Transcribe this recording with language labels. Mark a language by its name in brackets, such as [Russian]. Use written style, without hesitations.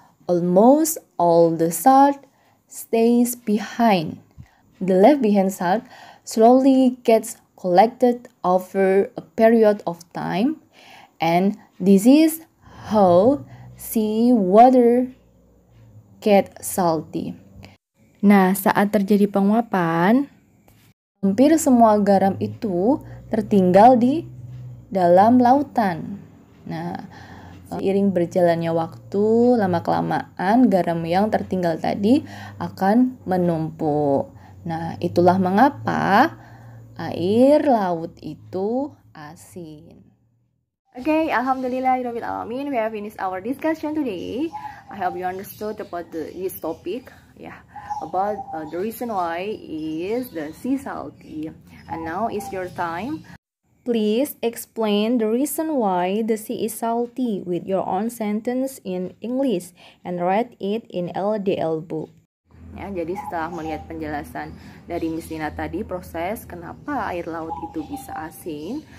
[English] Almost all the salt stays behind. The left behind salt slowly gets collected over a period of time and this is how sea water get salty. [Indonesian] Nah, saat terjadi penguapan, hampir semua garam itu tertinggal di dalam lautan. Nah, seiring berjalannya waktu, lama-kelamaan garam yang tertinggal tadi akan menumpuk. Nah, itulah mengapa air laut itu asin. [English] Okay, [Arabic] alhamdulillah, rabbil alamin, [English] we have finished our discussion today. I hope you understood about this topic. Yeah, about the reason why is the sea salty. And now is your time. Please explain the reason why the sea is salty with your own sentence in English and write it in LDL book. [Indonesian] Ya, jadi setelah melihat penjelasan dari Miss Nina tadi proses kenapa air laut itu bisa asin.